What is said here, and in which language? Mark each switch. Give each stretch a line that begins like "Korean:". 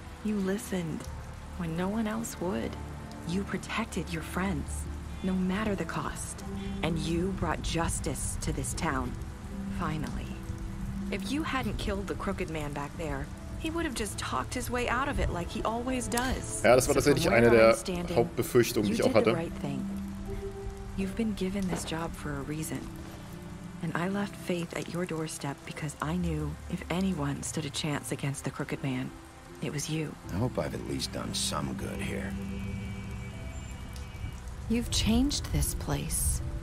English: You listened when no one else would. You protected your friends, no matter the cost. And you brought justice to this town, finally. If you hadn't killed the Crooked Man back there, he would have just talked his way out of it like he always does.
German: Ja, das war tatsächlich eine der Hauptbefürchtungen, die ich auch hatte.
English: You did the right thing. You've been given this job for a reason. And I left Faith at your doorstep because I knew if anyone stood a chance against the Crooked Man, it was you. I hope I've at least done some good here. You've changed this place.